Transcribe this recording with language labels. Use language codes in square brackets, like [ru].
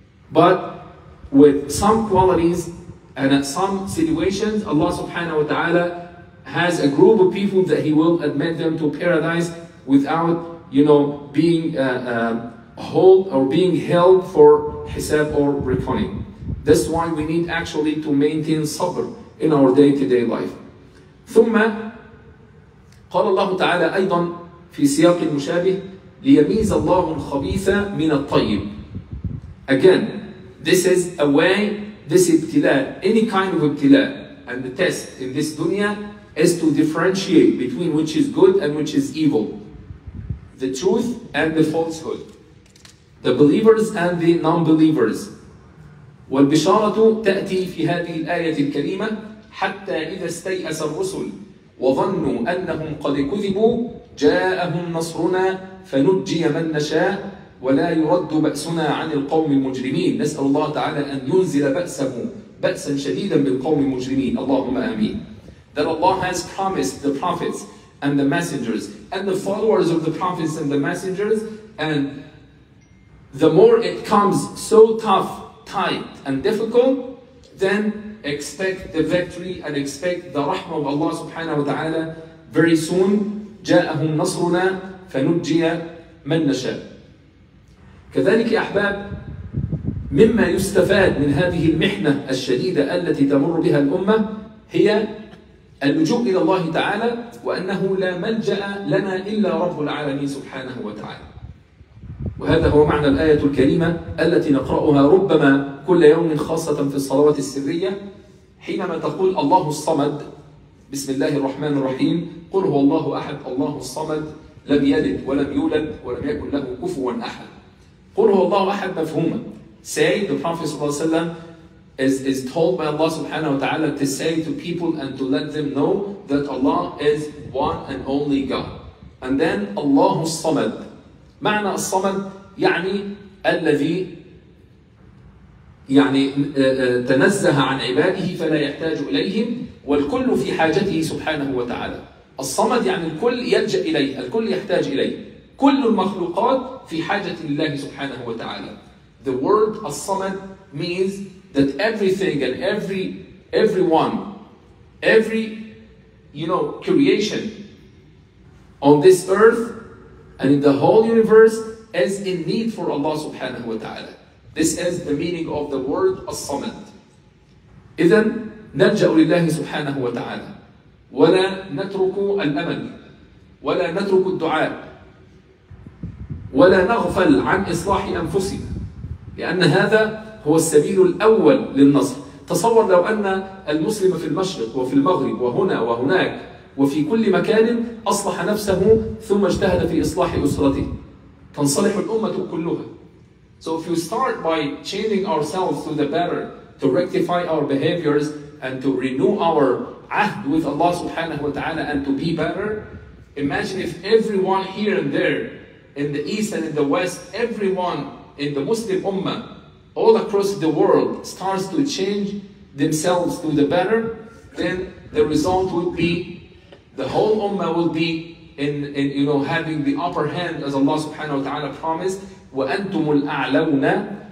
[en] But with some qualities and at some situations, Allah subhanahu wa ta'ala has a group of people that He will admit them to paradise without, you know, being hold or being held for hisab or reckoning. That's why we need actually to maintain sabr in our day-to-day life. [ar] ثم قال الله تعالى أيضا في سياق المشابه ليميز الله الخبيث من الطيب. [en] Again, this is a way, this ابتلاء, any kind of ابتلاء and the test in this dunya is to differentiate between which is good and which is evil, the truth and the falsehood, the believers and the non-believers. [ar] والبشارة تأتي في هذه الآية الكريمة حتى إذا استيأس الرسل وظنوا أنهم قد كذبوا جاءهم نصرنا فنجي من نشاء ولا يرد بأسنا عن القوم المجرمين. نسأل الله تعالى أن ينزل بأسه بأسا شديدا بالقوم المجرمين. اللهم آمين. [en] That Allah has promised the prophets and the messengers and the followers of the prophets and the messengers, and the more it comes so tough, tight and difficult, then expect the victory and expect the rahmah of Allah subhanahu wa ta'ala very soon. [ar] جاءهم نصرنا فنجي من نشاء. كذلك يا أحباب مما يستفاد من هذه المحنة الشديدة التي تمر بها الأمة هي اللجوء إلى الله تعالى وأنه لا ملجأ لنا إلا رب العالمين سبحانه وتعالى. وهذا هو معنى الآية الكريمة التي نقرأها ربما كل يوم خاصة في الصلوات السرية حينما تقول الله الصمد. بسم الله الرحمن الرحيم. قل هو الله أحد الله الصمد لم يلد ولم يولد ولم يكن له كفوا أحد. قل هو الله أحد مفهوما. [en] Say, the Prophet [ar] صلى الله عليه وسلم [en] is told by Allah subhanahu wa ta'ala to say to people and to let them know that Allah is one and only God. And then [ar] الله الصمد. معنى الصمد يعني الذي يعني تنزه عن عباده فلا يحتاج إليهم والكل في حاجته سبحانه وتعالى. الصمد يعني الكل يلجأ إليه، الكل يحتاج إليه، كل المخلوقات في حاجة لله سبحانه وتعالى. [en] The word الصمد means that everything and everyone, every, you know, creation on this earth and in the whole universe is in need for Allah subhanahu wa ta'ala. This is the meaning of the word الصمد. [ar] إذن نلجأ لله سبحانه وتعالى ولا نترك الأمل ولا نترك الدعاء ولا نغفل عن إصلاح أنفسنا، لأن هذا هو السبيل الأول للنصر. تصور لو أن المسلم في المشرق وفي المغرب وهنا وهناك وفي كل مكان أصلح نفسه ثم اجتهد في إصلاح أسرته تنصلح الأمة كلها. [en] So if you start by changing ourselves to the better, to rectify our behaviors and to renew our عهد with Allah subhanahu wa ta'ala and to be better, imagine if everyone here and there, in the east and in the west, everyone in the Muslim ummah, all across the world, starts to change themselves to the better, then the result would be, the whole ummah will be in you know, having the upper hand as Allah subhanahu wa ta'ala promised, [ar] وَأَنْتُمُ الْأَعْلَوْنَ.